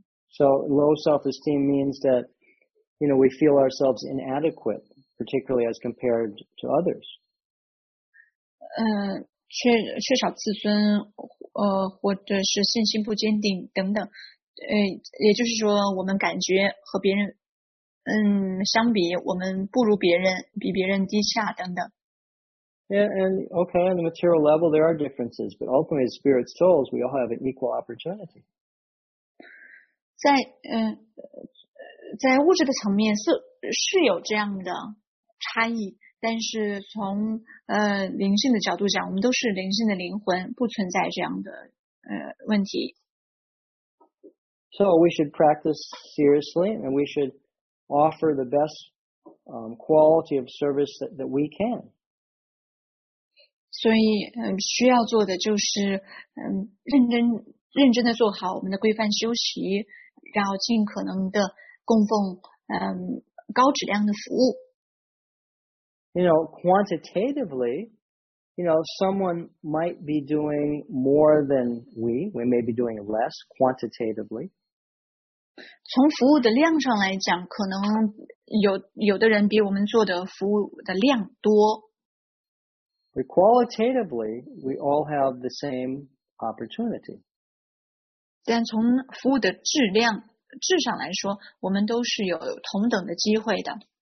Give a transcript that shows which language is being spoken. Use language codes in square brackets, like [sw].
[en] So low self-esteem means that, you know, we feel ourselves inadequate, particularly as compared to others. [zh] 缺少自尊，或者是信心不坚定等等。也就是说我们感觉和别人相比我们不如别人，比别人低下等等。 [en] Yeah, and okay, on the material level there are differences, but ultimately as spirit souls we all have an equal opportunity. [zh] 在物质的层面是有这样的差异，但是从灵性的角度讲，我们都是灵性的灵魂，不存在这样的问题。 [en] So we should practice seriously, and we should offer the best quality of service that we can. [zh] 所以需要做的就是认真的做好我们的规范修习，然后尽可能的供奉高质量的服务。 [en] You know, quantitatively, you know, someone might be doing more than we may be doing less quantitatively. [zh] 从服务的量上来讲，可能有的人比我们做的服务的量多。 [en] But qualitatively, we all have the same opportunity. [zh] 但从服务的质上来说，我们都是有同等的机会的。